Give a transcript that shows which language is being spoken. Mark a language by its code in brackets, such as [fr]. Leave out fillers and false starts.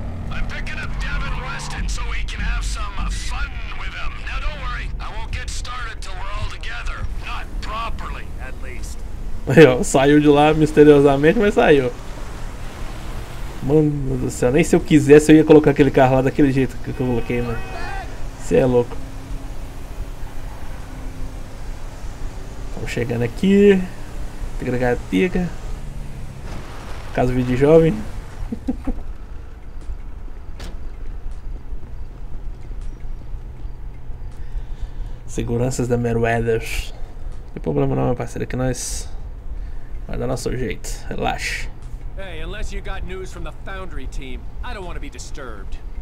[en] I'm picking up Devin Weston so we can have some fun with him. Now don't worry, I won't get started till we're all together. Not properly, at least. [pt] Aí, ó, saiu de lá misteriosamente, mas saiu. Mano do céu, nem se eu quisesse eu ia colocar aquele carro lá daquele jeito que eu coloquei, né? Você é louco. Estamos chegando aqui. Tiga, tiga. Caso vídeo de jovem. Seguranças da Meriwether. Não tem problema não, meu parceiro, que nós vai dar nosso jeito, relaxa. [en] Hey, unless you got news from the Foundry team, I don't want to be disturbed.